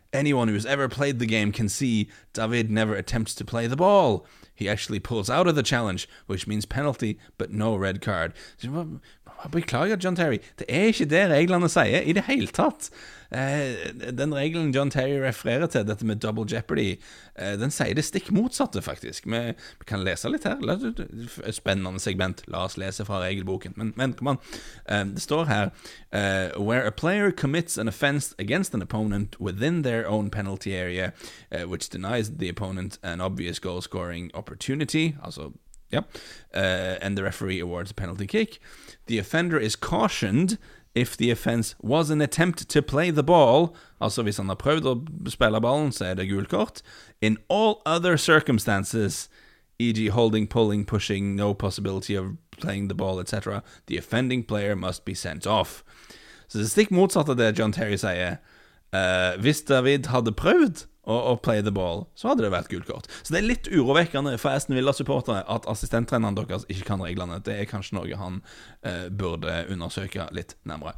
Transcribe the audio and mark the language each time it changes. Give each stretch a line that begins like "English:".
English: Anyone who's ever played the game can see David never attempts to play the ball. He actually pulls out of the challenge, which means penalty, but no red card."
Norwegian: Jeg beklager, John Terry. Det er ikke det reglene sier i det hele tatt. Den regelen John Terry refererer til, dette med double jeopardy, den sier det stikk motsatte, faktisk. Vi kan lese litt her. Spennende segment. La oss lese fra regelboken. Men kom an. Det står her:
English: "Where a player commits an offense against an opponent within their own penalty area, which denies the opponent an obvious goal-scoring opportunity," altså, ja, "and the referee awards a penalty kick, the offender is cautioned if the offense was an attempt to play the ball,"
Norwegian: altså hvis han har prøvd å spille ballen, så er det gul kort,
English: "in all other circumstances, e.g. holding, pulling, pushing, no possibility of playing the ball, etc., the offending player must be sent off."
Norwegian: Så det stikk motsatt av det John Terry sier. Hvis David hadde prøvd å
English: play the ball,
Norwegian: så hadde det vært gul kort. Så det er litt urovekkende for Aston Villa-supportere at assistenttreneren deres ikke kan reglene. Det er kanskje noe han burde undersøke litt nærmere.